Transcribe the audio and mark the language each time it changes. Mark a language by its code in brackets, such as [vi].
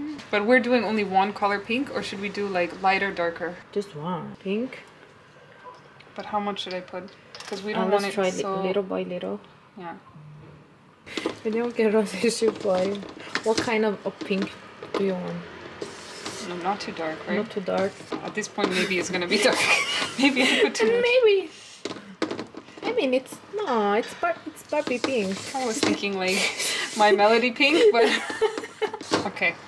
[en] But we're doing only one color pink, or should we do like lighter, darker? Just one. Pink. But how much should I put? Because we don't want it so... Let's try little by little. Yeah. [it] Vediamo che rosa esce fuori. [en] What kind of a pink do you want? No, not too dark, right? Not too dark. At this point, maybe it's going to be dark. Maybe I put too much. Maybe. I mean, it's no, it's Barbie pink. I was thinking like my Melody pink, but okay.